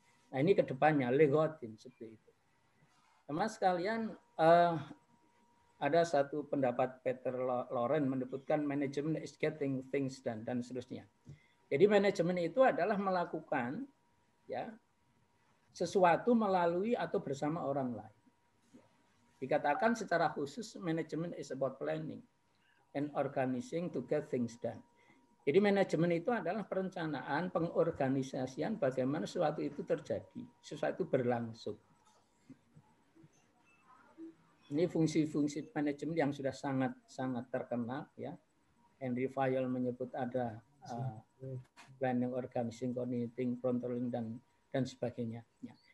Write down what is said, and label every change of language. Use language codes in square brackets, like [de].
[id] Nah ini kedepannya, legotin seperti itu. Teman sekalian, ada satu pendapat Peter Loren menyebutkan [en] management is getting things done [id] dan seterusnya. Jadi manajemen itu adalah melakukan, ya, sesuatu melalui atau bersama orang lain. Dikatakan secara khusus [en] management is about planning and organizing to get things done. [id] Jadi manajemen itu adalah perencanaan, pengorganisasian bagaimana sesuatu itu terjadi, sesuatu berlangsung. Ini fungsi-fungsi manajemen yang sudah sangat-sangat terkenal, ya. Henry Fayol menyebut ada planning, organizing, coordinating, controlling, dan sebagainya. Ya.